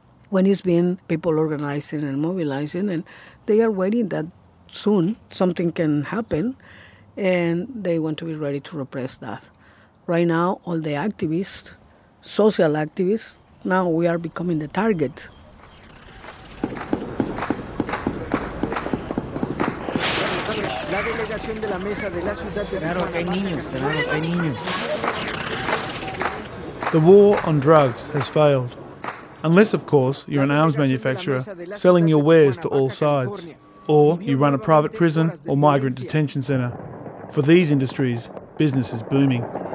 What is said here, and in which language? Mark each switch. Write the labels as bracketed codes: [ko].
[en] When it's been people organizing and mobilizing, and they are waiting that soon something can happen, and they want to be ready to repress that. Right now, all the activists, social activists, now we are becoming the target. [es] La delegación de la mesa de la ciudad de Claro, hay niños, claro, hay niños. [en] The war on drugs has failed. Unless, of course, you're an arms manufacturer selling your wares to all sides, or you run a private prison or migrant detention center. For these industries, business is booming.